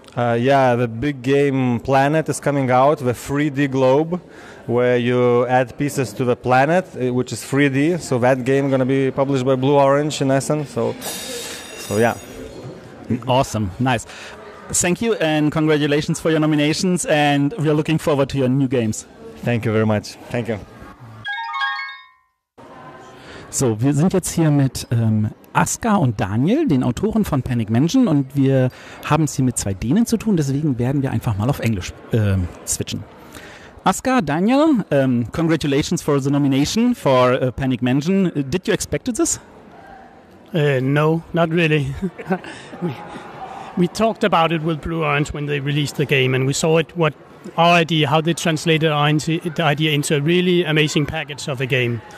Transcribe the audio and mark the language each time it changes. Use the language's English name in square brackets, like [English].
[English] Yeah, the big game Planet is coming out, the 3D globe, where you add pieces to the planet, which is 3D, so that game going to be published by Blue Orange in Essen, so yeah. Awesome, nice. Thank you, and congratulations for your nominations, and we are looking forward to your new games. Thank you very much. Thank you. [German] So, wir sind jetzt hier mit Aska und Daniel, den Autoren von Panic Mansion, und wir haben es hier mit zwei Dänen zu tun, deswegen werden wir einfach mal auf Englisch switchen. [English] Aska, Daniel, congratulations for the nomination for Panic Mansion. Did you expect this? No, not really. We talked about it with Blue Orange when they released the game, and we saw it what our idea, how they translated the idea into a really amazing package of a game.